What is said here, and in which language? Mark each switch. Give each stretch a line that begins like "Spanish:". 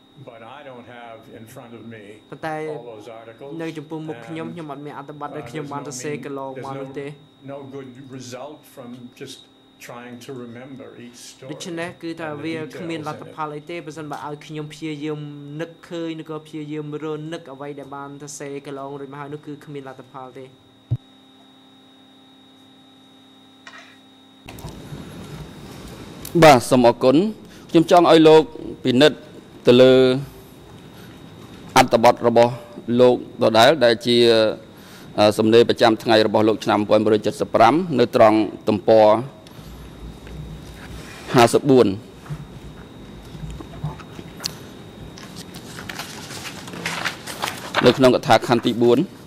English: But I don't have in front of me all those articles.
Khmer: នៅចំពោះមុខខ្ញុំខ្ញុំអត់មានអត្ថបទដែលខ្ញុំបានសរសេរកន្លងមកនោះទេ
English: No good result from just trying to remember each story.
Khmer: ដូច្នេះគឺថាវាគ្មានលទ្ធផលអីទេបើមិនបើឲ្យខ្ញុំព្យាយាមនឹកឃើញឬក៏ព្យាយាមរនឹកអ្វីដែលបានសរសេរកន្លងរួចមកហើយនោះគឺគ្មានលទ្ធផលទេ បាទសូមអរគុណខ្ញុំចង់ឲ្យលោកពិនិត្យទៅលើអត្តបទរបស់លោកដដែលដែលជាសំណេរប្រចាំថ្ងៃរបស់លោកឆ្នាំ1975នៅត្រង់ទំព័រ54នៅក្នុងកថាខណ្ឌទី4